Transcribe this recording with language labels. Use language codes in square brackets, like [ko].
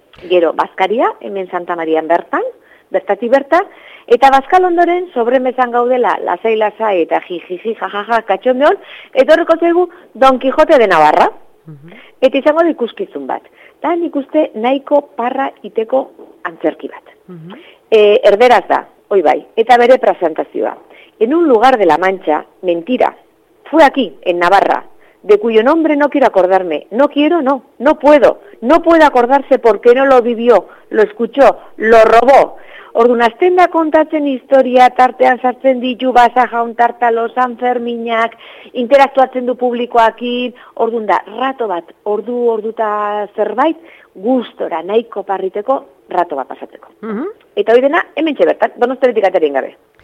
[eu] Gero, Bazkaria, hemen Santa Marian bertan, bertati bertan, eta Bazkal ondoren, sobremezan gaudela, lasai, eta jijiji, jajaja, katxondeon, eta horreko zegu Don Quijote de Navarra. Eta izango da ikuskizun bat. Dan ikuste nahiko parra iteko antzerki bat. Erderaz da, oi bai, eta bere presentazioa. [es] En un lugar de la mancha, mentira, fue aquí, en Navarra, de cuyo nombre no quiero acordarme. No quiero, no, no puedo. No puedo acordarse porque no lo vivió, lo escuchó, lo robó. [eu] Orduan, azten da kontatzen historia, tartean sartzen ditu, basa jaun tartalo, San Ferminak, interaktuatzen du publikoakin, orduan da, rato bat, ordu eta zerbait, gustora, nahiko parriteko, rato bat pasatzeko. Eta hori dena, hemen txebertan, donosteretik aterien gabe.